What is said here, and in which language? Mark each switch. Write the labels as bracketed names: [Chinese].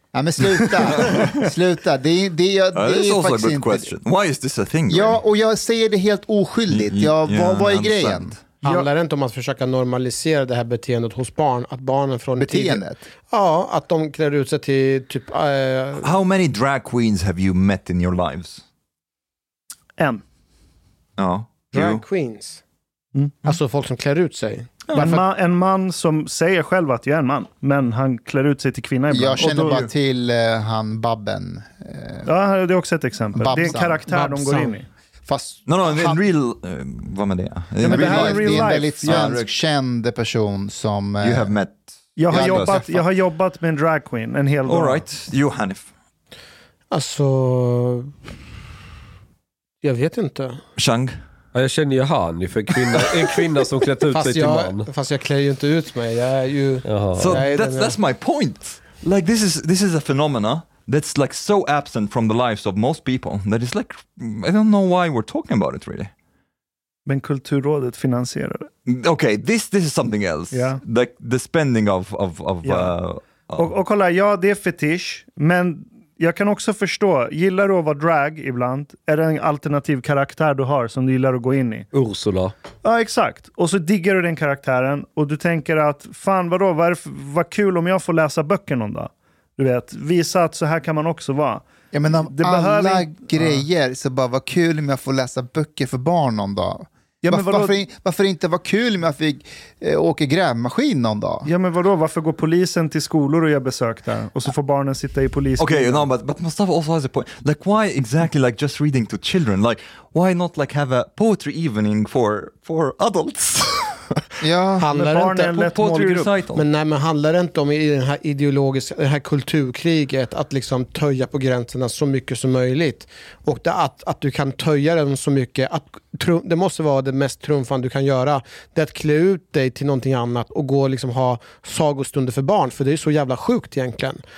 [Swedish] Ja, men sluta. Sluta. Det är faktiskt inte... [English] Question. Why is this a thing? [Swedish] Ja, och jag säger det helt oskyldigt. Vad är grejen? Handlar det inte om att försöka normalisera det här beteendet hos barn, att barnen från beteendet tiden, ja, att de klär ut sig till typ [English] How many drag queens have you met in your lives? [Swedish] En. Ja, drag queens. Mm. Alltså folk som klär ut sig. Ja. En man som säger själv att jag är en man, men han klär ut sig till kvinna ibland. Jag känner bara till han Babben. Ja, det är också ett exempel. Babsan. Det är en karaktär Babsan. De går in i. Fast en real... vad med det? Det är en väldigt svensk, känd person som... [English] You have met... [Swedish] Jag har jobbat med en drag queen en hel dag. [English] All right, Johanif. [Swedish] Alltså... Jag vet inte. Chang? Ja, jag känner Johanif, en kvinna som klätt ut sig till man. Fast jag klär ju inte ut mig, jag är ju... [English] So that's my point. Like this is a phenomena. That's like so absent from the lives of most people that it's like, I don't know why we're talking about it really. [Swedish] Men Kulturrådet finansierar det. [English] Okay, this is something else. Yeah. The spending of [Swedish] Och kolla, ja, det är fetisch, men jag kan också förstå, gillar du att vara drag ibland? Är det en alternativ karaktär du har som du gillar att gå in i? Ursula. Ja, exakt. Och så diggar du den karaktären och du tänker att fan vadå, vad kul om jag får läsa böcker någon dag. Du vet, visa att så här kan man också vara. Ja, men grejer så bara, vad kul om jag får läsa böcker för barn någon dag. Ja, men varför inte vara kul om jag fick åka grävmaskin någon dag? Ja, men vadå? Varför går polisen till skolor och gör besök där? Och så får barnen sitta i polisen. [English] Okej, okay, but Mustafa also has a point. Like, why exactly like just reading to children? Like, why not like have a poetry evening for adults? [Swedish] Ja, handlar men inte på målgrupp. Men nej, men handlar det inte om i den här ideologiska, det här kulturkriget, att liksom töja på gränserna så mycket som möjligt, och det, att du kan töja dem så mycket att det måste vara det mest trumfande du kan göra, det är att klä ut dig till någonting annat och gå och liksom ha sagostunder för barn, för det är så jävla sjukt egentligen.